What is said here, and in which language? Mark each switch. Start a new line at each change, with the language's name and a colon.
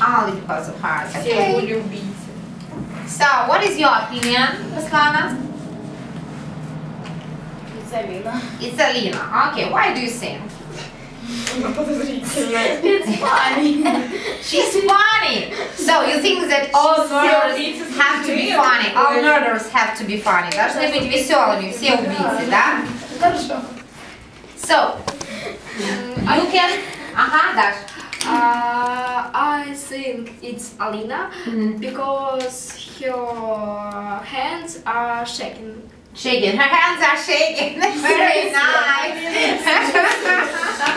English: Only because of her eyes. Okay. So, what is your opinion, Ruslana? It's Alina. It's Alina. Okay, why do you sing? It's funny. She's funny. So you think that all murderers have to be funny? All murderers have to be funny.
Russian: Должны быть веселыми, все убийцы, да? Хорошо.
English: So you can. Даш. I think it's Alina because her hands are shaking. Shaking. Her hands are shaking. Very nice.